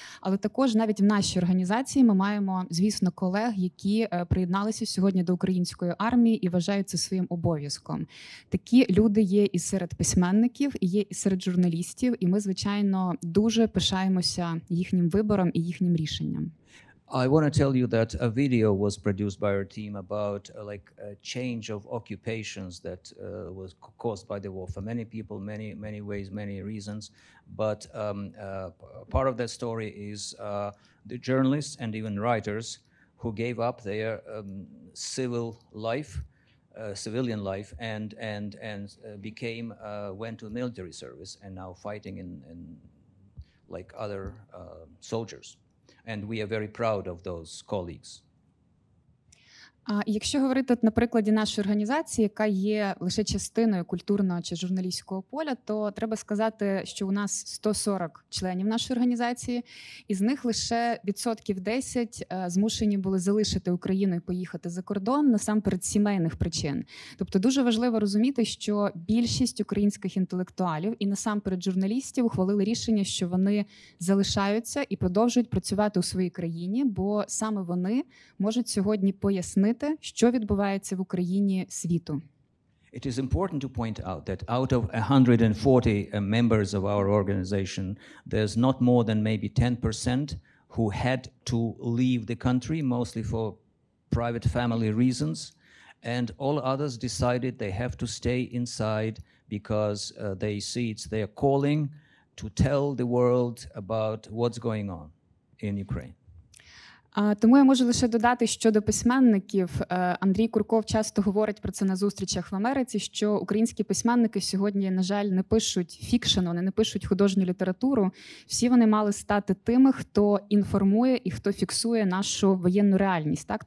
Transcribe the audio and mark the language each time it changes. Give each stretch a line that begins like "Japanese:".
Ukrainian: Але також навіть в нашій організації ми маємо, звісно, колег, які приєдналися сьогодні до української армії і вважають це своїм обов'язком. Такі люди є і серед письменників, і є і серед журналістів, і ми, звичайно, дуже пишаємося їхнім вибором і їхнім рішенням.
English: I want to tell you that a video was produced by our team about like a change of occupations that was caused by the war for many people, many ways, many reasons. But part of that story is the journalists and even writers who gave up their civil life, civilian life, and became went to military service and now fighting in like other soldiers. And we are very proud of those colleagues.
Ukrainian: Якщо говорити, на прикладі нашої організації, яка є лише частиною культурного чи журналістського поля, то треба сказати, що у нас 140 членів нашої організації, і з них лише 10% змушені були залишити Україну і поїхати за кордон, насамперед сімейних причин. Тобто дуже важливо розуміти, що більшість українських інтелектуалів і насамперед журналістів ухвалили рішення, що вони залишаються і продовжують працювати у своїй країні, бо саме вони можуть сьогодні пояснити, що відбувається в Україні світу.
English: It is important to point out that out of 140 members of our organization, there's not more than maybe 10% who had to leave the country, mostly for private family reasons, and all others decided they have to stay inside because they see it's their calling to tell the world about what's going on in Ukraine.
Ukrainian: Тому я можу лише додати щодо письменників. Андрій Курков часто говорить про це на зустрічах в Америці, що українські письменники сьогодні, на жаль, не пишуть фікшн, вони не пишуть художню літературу. Всі вони мали стати тими, хто інформує і хто фіксує нашу воєнну реальність. Так?